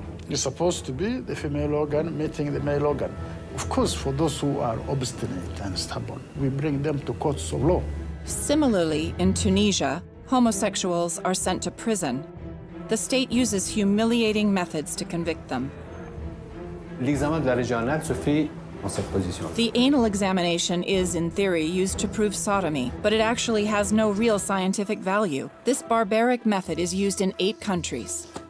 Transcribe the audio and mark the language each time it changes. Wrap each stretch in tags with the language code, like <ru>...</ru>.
<en>You're supposed to be the female organ meeting the male organ. Of course, for those who are obstinate and stubborn, we bring them to courts of law. Similarly, in Tunisia, homosexuals are sent to prison. The state uses humiliating methods to convict them.</en> <fr>L'examen de la régionale se fait en cette position.</fr> <en>The anal examination is, in theory, used to prove sodomy, but it actually has no real scientific value. This barbaric method is used in 8 countries.</en>